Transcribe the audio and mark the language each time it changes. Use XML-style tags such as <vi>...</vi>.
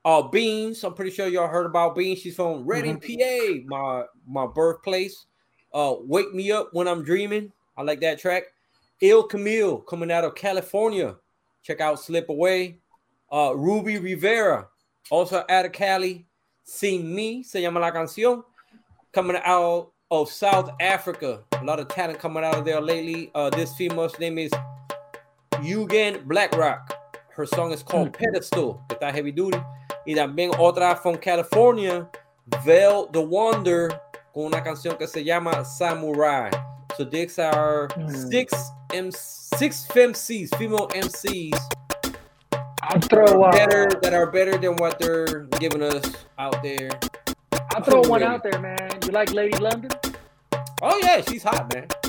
<en>Beans, I'm pretty sure y'all heard about Beans. She's from Reading, PA, my birthplace. Wake Me Up When I'm Dreaming. I like that track. Ill Camille, coming out of California. Check out Slip Away. Ruby Rivera, also out of Cali.</en> <es>Sin Mi, Se Llama La Canción.</es> <en>Coming out of South Africa. A lot of talent coming out of there lately. This female's name is Eugen Blackrock. Her song is called Pedestal.</en> <es>Que está</es> <en>heavy duty.</en> <es>Y también otra</es> <en>from California,</en> <es>Veil the Wonder, con una canción que se llama Samurai.</es> <en>So these are six femcs, female MCs. I'll throw one better, that are better than what they're giving us out there. I'll throw one out there, man. You like Lady London? Oh yeah, she's hot, man.</en>